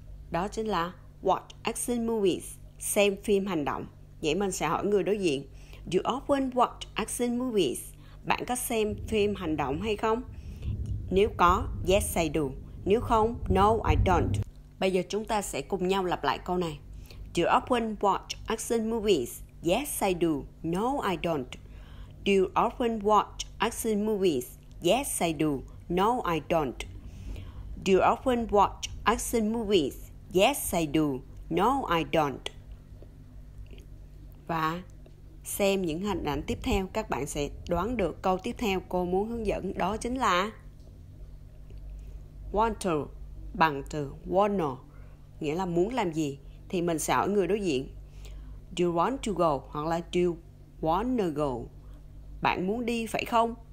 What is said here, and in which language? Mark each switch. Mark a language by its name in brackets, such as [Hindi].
[Vietnamese] Đó chính là [English] watch action movies, [Vietnamese] xem phim hành động. Vậy mình sẽ hỏi người đối diện, [English] do you often watch action movies? [Vietnamese] Bạn có xem phim hành động hay không? Nếu có, [English] yes, I do. [Vietnamese] Nếu không, [English] no, I don't. [Vietnamese] Bây giờ chúng ta sẽ cùng nhau lặp lại câu này. [English] Do you often watch action movies? Yes, I do. No, I don't. Do you often watch action movies? Yes, I do. No, I don't. Do you often watch action movies? Yes, I do. No, I don't. [Vietnamese] Và xem những hình ảnh tiếp theo, các bạn sẽ đoán được câu tiếp theo cô muốn hướng dẫn đó chính là want to, bằng từ wanna, nghĩa là muốn làm gì. Thì mình sẽ hỏi người đối diện, [English] do you want to go, [Vietnamese] hoặc là [English] do you wanna go, [Vietnamese] bạn muốn đi phải không?